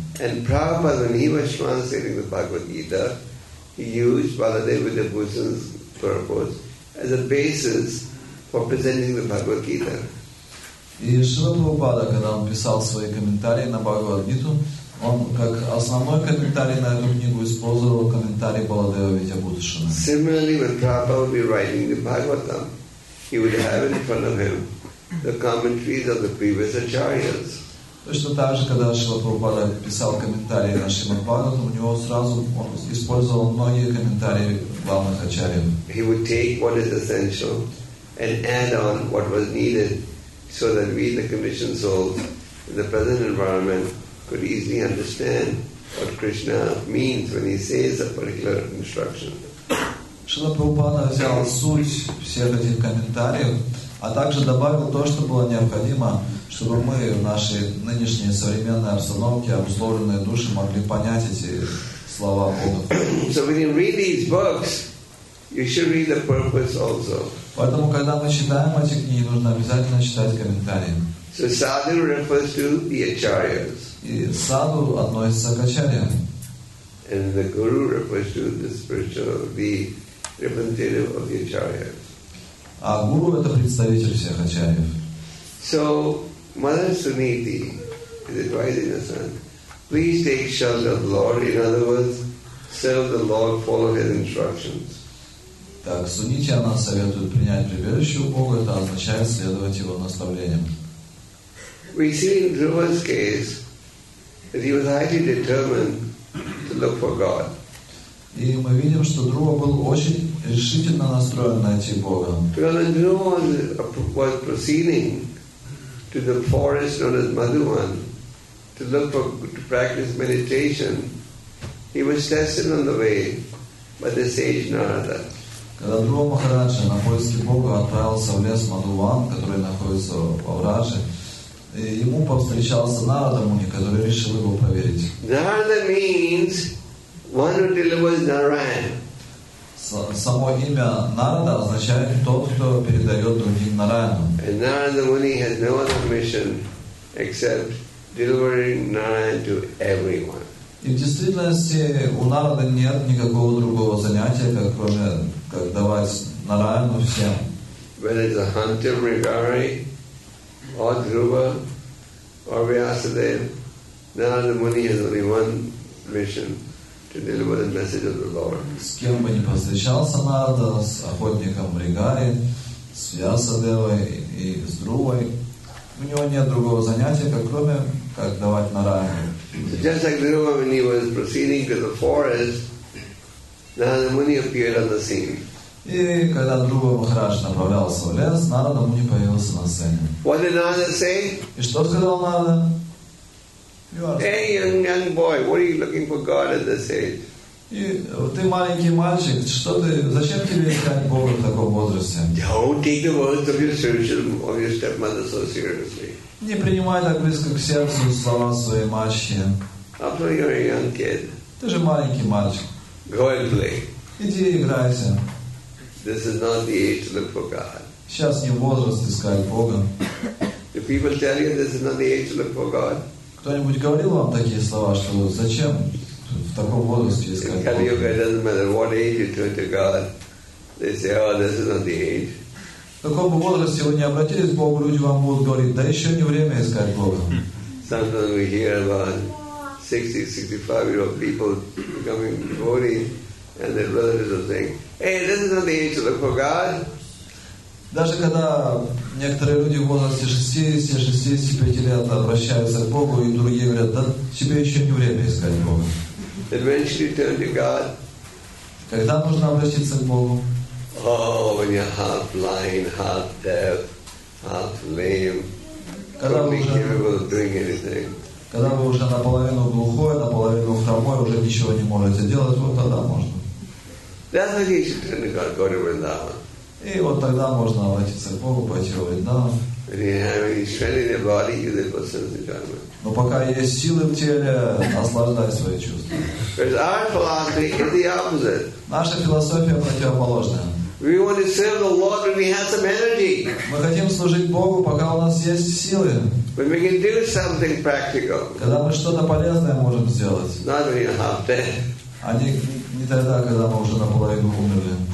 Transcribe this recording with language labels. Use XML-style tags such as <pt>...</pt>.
<en>And Prabhupada, when he was translating the Bhagavad Gita, he used Баладев Видьябушан's purport as a basis for presenting the Bхагавад Гита.</en> <ru>И Шрила Прабхупада, когда он писал свои комментарии на Бхагавад Гиту, он как основной комментарий на эту книгу использовал комментарий Баладева Видьябушана.</ru> <en>Similarly, when Prabhupada would be writing the Bhagavatam, he would have in front of him the commentaries of the previous acharyas.</en> <ru>Точно так же, когда Шрила Прабхупада писал комментарии на Шримад Бхагаватам, у него сразу он использовал многие комментарии главных ачарьев.</ru> <en>He would take what is essential and add on what was needed, so that we, the conditioned souls, in the present environment, could easily understand what Krishna means when he says a particular instruction.</en> <ru>Шрила Прабхупада взял суть всех этих комментариев а также добавил то, что было необходимо, чтобы мы в нашей нынешней современной обстановке обусловленные души могли понять эти слова Бога.</ru> <en>So when you read these books, you should read the purpose also.</en> <ru>Поэтому, когда мы читаем эти книги, нужно обязательно читать комментарии.</ru> <en>So sadhu refers to the acharyas.</en> <ru>И саду относится к ачарьям.</ru> <en>And the guru refers to the spiritual, the representative of the acharyas.</en> <ru>А гуру это представитель всех ачарьев.</ru> <en>So Mother Suniti is advising the son, please take shelter of the Lord. In other words, serve the Lord, follow His instructions.</en> <ru>Так, Сунити она советует принять прибежище у Бога, это означает следовать Его наставлениям.</ru> <en>We see in Dhruva's case that he was highly determined to look for God.</en> <ru>И мы видим, что Друва был очень решительно настроен найти Бога.</ru> <en>Because Dhruva was proceeding to the forest known as Madhuvan to look for, to practice meditation, he was tested on the way by the sage Narada.</en> <ru>Когда Друва Махараджа на поиски Бога отправился в лес Мадхуван, который находится во Враже, ему повстречался Нарада Муни, который решил его проверить.</ru> <en>Narada means one who delivers Narayan.</en> <ru>Само имя Нарада означает тот, кто передает другим Нараяну.</ru> <en>And Narada Muni has no other mission except delivering Narayan to everyone.</en> <ru>И в действительности у Нарада нет никакого другого занятия, как кроме как давать Нараяну всем.</ru> <en>Whether it's a hunter, Ригари, or Dhruva, or Vyasadev, Narada Muni has only one mission, to deliver the message of the Lord.</en> <ru>С кем бы ни повстречался Нарада, с охотником Ригари, с Вьясадевой и с Друвой, у него нет другого занятия, как кроме как давать Нараяну.</ru> <en>So just like Dhruva, when he was proceeding to the forest, Narada Muni appeared on the scene.</en> <ru>И когда Друва Махарадж направлялся в лес, Нарада Муни появился на сцене.</ru> <en>What did Narada say?</en> <ru>И что сказал Нарада?</ru> <en>Hey, young boy, what are you looking for God at this age?</en> <ru>И ты маленький мальчик, что ты, зачем тебе искать Бога в таком возрасте?</ru> <en>Don't take the words of your stepmother so seriously.</en> <ru>Не принимай так близко к сердцу слова своей матчи.</ru> <en>After you're a young kid.</en> <ru>Ты же маленький мальчик.</ru> <en>Go and play.</en> <ru>Иди играйся.</ru> <en>This is not the age to look for God.</en> <ru>Сейчас не возраст искать Бога.</ru> <en>Do people tell you this is not the age to look for God?</en> <ru>Кто-нибудь говорил вам такие слова, что зачем в таком возрасте искать Бога?</ru> <en>In Kali-yuga, it doesn't matter what age you turn to God. They say, oh, this is not the age.</en> <ru>В каком бы возрасте вы не обратились к Богу, люди вам будут говорить, да еще не время искать Бога.</ru> <en>Sometimes we hear about 60-65-year-old people becoming devotees, and their relatives are saying, hey, this is not the age to look for God.</en> <ru>Даже когда некоторые люди в возрасте 60-65 лет обращаются к Богу, и другие говорят, да тебе еще не время искать Бога.</ru> <en>Eventually turn to God.</en> <ru>Когда нужно обратиться к Богу?</ru> <en>Oh, when you're half blind, half deaf, half lame,</en> <ru>когда</ru> <en>only capable of doing anything.</en> <ru>Когда вы уже наполовину глухой, наполовину хромой, уже ничего не можете делать, вот тогда можно.</ru> <en>That's when you should turn to God, go to Vrindavan.</en> <ru>И вот тогда можно обратиться к Богу, пойти в Вриндаван.</ru> <en>When you have any strength in your body, you live for sense enjoyment.</en> <ru>Но пока есть силы в теле, наслаждай свои чувства.</ru> <en>Because our philosophy is the opposite.</en> <ru>Наша философия противоположная.</ru> <en>We want to serve the Lord when we have some energy.</en> <ru>Мы хотим служить Богу, пока у нас есть силы.</ru> <en>When we can do something practical.</en> <ru>Когда мы что-то полезное можем сделать.</ru> <en>Not when you're half dead.</en> <ru>А не тогда, когда мы уже наполовину умерли.</ru>